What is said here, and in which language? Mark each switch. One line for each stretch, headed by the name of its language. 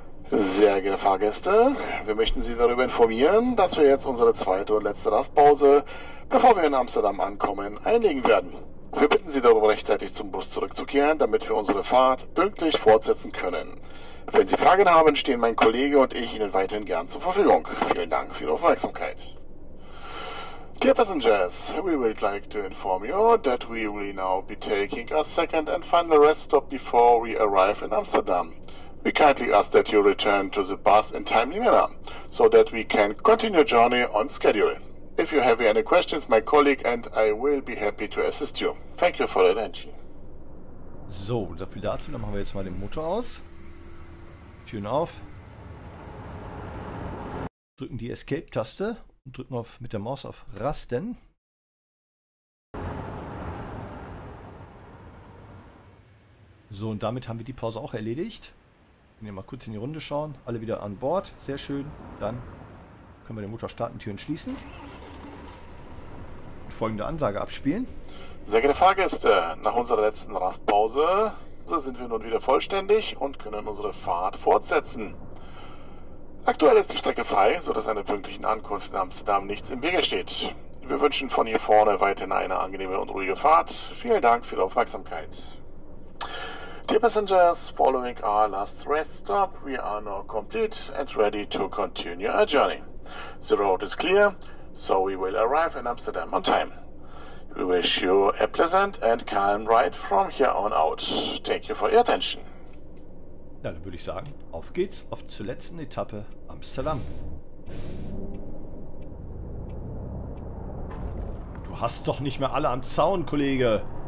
German: Sehr geehrte Fahrgäste, wir möchten Sie darüber informieren, dass wir jetzt unsere zweite und letzte Rastpause, bevor wir in Amsterdam ankommen, einlegen werden. Wir bitten Sie darum, rechtzeitig zum Bus zurückzukehren, damit wir unsere Fahrt pünktlich fortsetzen können. Wenn Sie Fragen haben, stehen mein Kollege und ich Ihnen weiterhin gern zur Verfügung. Vielen Dank für Ihre Aufmerksamkeit.
English: Dear passengers, we would like to inform you that we will now be taking our second and final rest stop before we arrive in Amsterdam. We kindly ask that you return to the bus in timely manner, so that we can continue your journey on schedule. If you have any questions, my colleague and I will be happy to assist you. Thank you for the attention.
German: So, dafür dazu, dann machen wir jetzt mal den Motor aus. Türen auf. Drücken die Escape-Taste und drücken auf mit der Maus auf Rasten. So, und damit haben wir die Pause auch erledigt. Wenn wir mal kurz in die Runde schauen, alle wieder an Bord. Sehr schön. Dann können wir den Motor starten, Türen schließen. Folgende Ansage abspielen. Sehr geehrte Fahrgäste, nach unserer letzten Rastpause sind wir nun wieder vollständig und können unsere Fahrt fortsetzen. Aktuell ist die Strecke frei, sodass einer pünktlichen Ankunft in Amsterdam nichts im Wege steht. Wir wünschen von hier vorne weiterhin eine angenehme und ruhige Fahrt. Vielen Dank für Ihre Aufmerksamkeit.
English: Dear passengers, following our last rest stop, we are now complete and ready to continue our journey. The road is clear. So we will arrive in Amsterdam on time. We wish you a pleasant and calm ride from here on out. Thank you for your attention.
German: Ja, dann würde ich sagen, auf geht's auf zur letzten Etappe Amsterdam. Du hast doch nicht mehr alle am Zaun, Kollege.